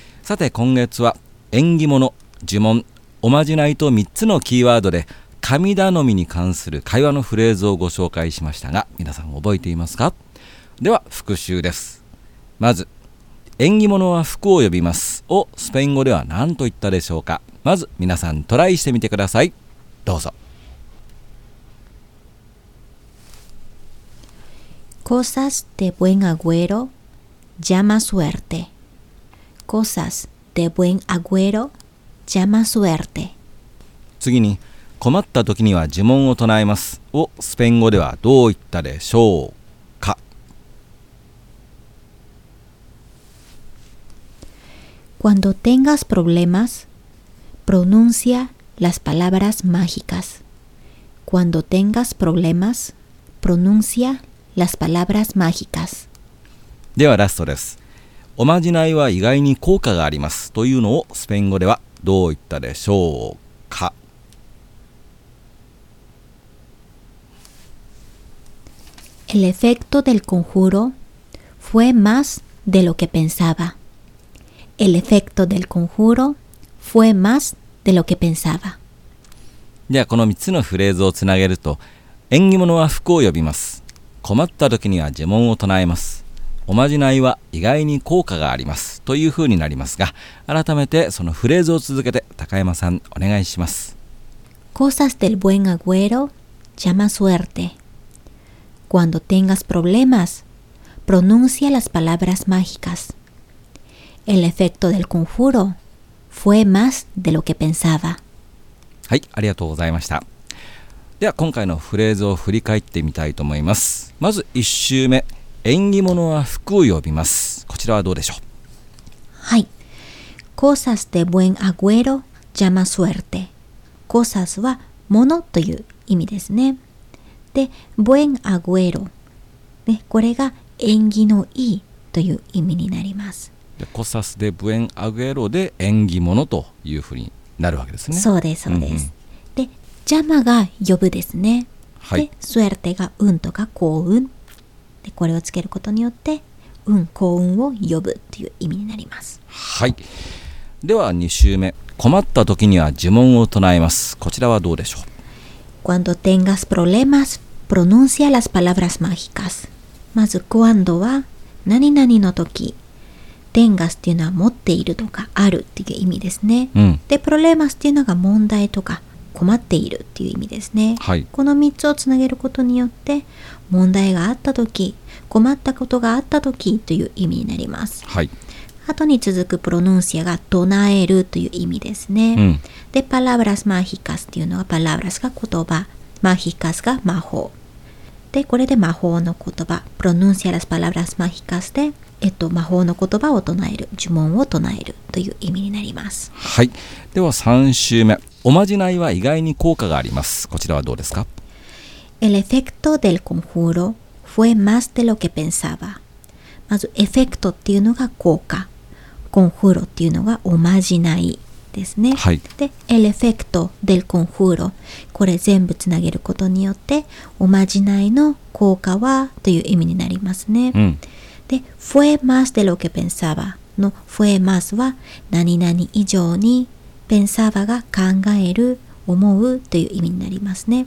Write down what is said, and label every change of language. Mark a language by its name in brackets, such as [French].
[Japanese] さて今月は縁起物、呪文、おまじないと3つのキーワードで神頼みに関する会話のフレーズをご紹介しましたが、皆さん覚えていますか？では復習です。まず縁起物は福を呼びますをスペイン語では何と言ったでしょうか？まず皆さんトライしてみてください。どうぞ。 [Spanish] Cosas de buen agüero llama suerte. Cosas de buen agüero llama suerte. [Japanese] 次に困った時には呪文を唱えますをスペイン語ではどう言ったでしょうか？ [Spanish] Cuando tengas problemas, pronuncia las palabras mágicas. Cuando tengas problemas, pronuncia las palabras mágicas. [Japanese] ではラストです。おまじないは意外に効果がありますというのをスペイン語ではどう言ったでしょうか？ [Spanish] El efecto del conjuro fue más de lo que pensaba. El efecto del conjuro fue más de lo que pensaba. [Japanese] ではこの3つのフレーズをつなげると、縁起物は福を呼びます、困った時には呪文を唱えます、おまじないは意外に効果がありますというふうになりますが、改めてそのフレーズを続けて高山さんお願いします。 [Spanish] Cosas del buen agüero llama suerte. Cuando tengas problemas, pronuncia las palabras mágicas. El efecto del conjuro fue más de lo que pensaba. [Japanese] はい、ありがとうございました。では今回のフレーズを振り返ってみたいと思います。まず1週目、縁起物は福を呼びます。こちらはどうでしょう？はい、 [Spanish] Cosas de buen agüero llama suerte. [Japanese] Cosas は物という意味ですね。で、 buen agüero、ね、これが縁起のいいという意味になります。で、 [Spanish] Cosas de buen agüero [Japanese] で縁起物というふうになるわけですね。そうです、そうです、うんうん、邪魔が呼ぶですね、はい、で、スエルテが運とか幸運で、これをつけることによって運、幸運を呼ぶという意味になります。はい、では2週目、困った時には呪文を唱えます。こちらはどうでしょう？ [Spanish] Cuando tengas problemas, pronuncia las palabras mágicas. [Japanese] まず cuando は何々の時、 tengas っていうのは持っているとかあるっていう意味ですね、うん、で、problemas っていうのが問題とか困っているっていう意味ですね、はい、この3つをつなげることによって、問題があった時、困ったことがあった時という意味になります、はい、後に続くプロノンシアが唱えるという意味ですね、うん、で、パラブラスマヒカスっていうのが、パラブラスが言葉、マヒカスが魔法で、これで魔法の言葉、プロノンシアラスパラブラスマヒカスで、魔法の言葉を唱える、呪文を唱えるという意味になります。はい、では3週目、おまじないは意外に効果があります。こちらはどうですか？ [Spanish] El efecto del conjuro fue más de lo que pensaba. [Japanese] まずエフェクトっていうのが効果、コンフーロっていうのがおまじないですね、はい、で、 [Spanish] El efecto del conjuro、 [Japanese] これ全部つなげることによって、おまじないの効果はという意味になりますね、うん、で、 [Spanish] fue más de lo que pensaba [Japanese] の fue más は何々以上に、ペンサーバーが考える、思うという意味になりますね、